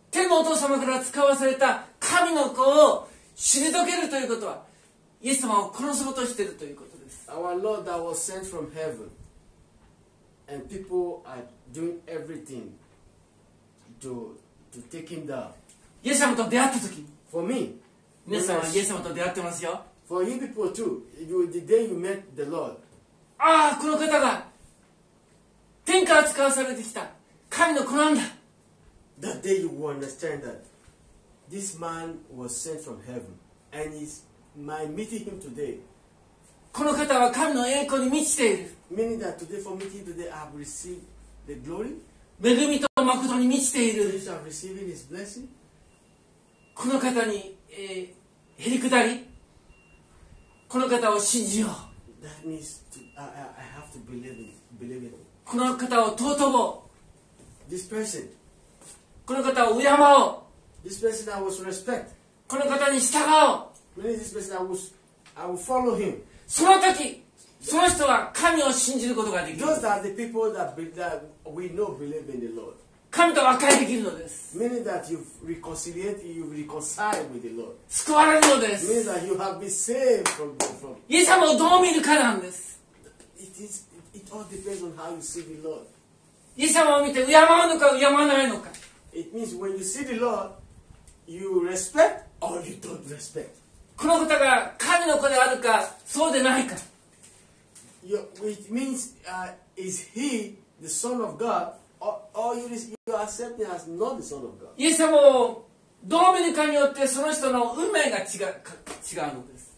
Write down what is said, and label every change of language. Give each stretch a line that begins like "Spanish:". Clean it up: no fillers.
Japanese: 天のお父様から使わされた神の子を退けるということは、イエス様を殺そうとしているということです。
English: Our Lord that was sent from heaven, and people are doing everything to take him down.
Japanese: イエス様と出会ったとき、
English: For me,
Japanese: 皆さんはイエス様と出会ってますよ。
English: For you people too, the day you met the Lord.
Japanese: ああ、この方が天から使わされてきた神の子なんだ。
English: That day you will understand that this man was sent from heaven, and is my meeting him today.
Japanese: この方は神の栄光に満ちている。
English: Meaning that today for meeting today, I have received the glory.
Japanese: 恵みと誠に満ちている。
English: I am receiving his blessing.
Japanese: この方に、へりくだり。この方を信じよう。
English: That means to, I have to believe it.
Japanese: この方を尊ぼう。
English: This person.
Japanese: この方を敬おう。
English: This person I will respect.
Japanese: この方に従おう。
English: Maybe this person I will follow him.
Japanese: その時、その人は神を信じることができる。
English: Those are the people that we know believe in the Lord.
Japanese: 神と和解できるのです。
English: Meaning that you've reconciled with the Lord.
Japanese: 救われるのです。
English: Meaning that you have been saved from.
Japanese: イエス様をどう見るかなんです。
English: It all depends on how you see the Lord.
Japanese: イエス様を見て敬うのか敬わないのか。
English: It means when you see the Lord, you respect or you don't respect.
Japanese: この方が神の子であるかそうでないか。
English: It means is he the Son of God? You accept him as not the son of God.
Japanese: イエス様をどう見るかによってその人の運命が違うのです。